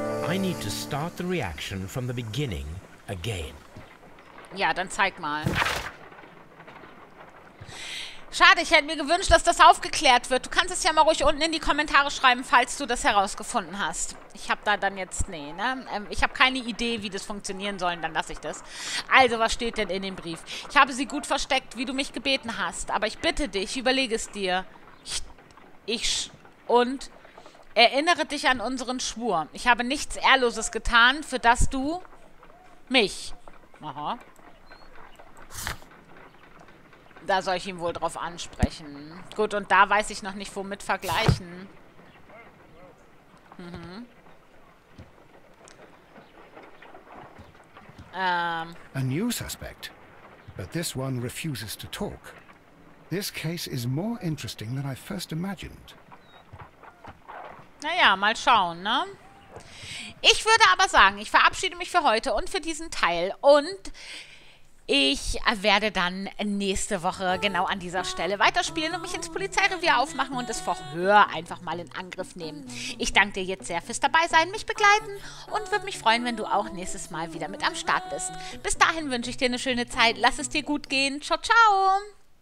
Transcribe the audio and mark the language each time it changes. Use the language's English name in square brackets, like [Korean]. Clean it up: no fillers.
[English] I need to start the reaction from the beginning again. [German] Ja, dann zeig mal. Schade, ich hätte mir gewünscht, dass das aufgeklärt wird. Du kannst es ja mal ruhig unten in die Kommentare schreiben, falls du das herausgefunden hast. Ich habe da dann jetzt, nee, ne? Ich habe keine Idee, wie das funktionieren soll, dann lasse ich das. Also, was steht denn in dem Brief? Ich habe sie gut versteckt, wie du mich gebeten hast. Aber ich bitte dich, überlege es dir. Und erinnere dich an unseren Schwur. Ich habe nichts Ehrloses getan, für das du mich. Aha. Da soll ich ihn wohl drauf ansprechen. Gut, und da weiß ich noch nicht, womit vergleichen. [English] A new suspect. But this one refuses to talk. This case is more interesting than I first imagined. [German] Naja, mal schauen, ne? Ich würde aber sagen, ich verabschiede mich für heute und für diesen Teil und ich werde dann nächste Woche genau an dieser Stelle weiterspielen und mich ins Polizeirevier aufmachen und das Verhör einfach mal in Angriff nehmen. Ich danke dir jetzt sehr fürs Dabeisein, mich begleiten und würde mich freuen, wenn du auch nächstes Mal wieder mit am Start bist. Bis dahin wünsche ich dir eine schöne Zeit. Lass es dir gut gehen. Ciao, ciao!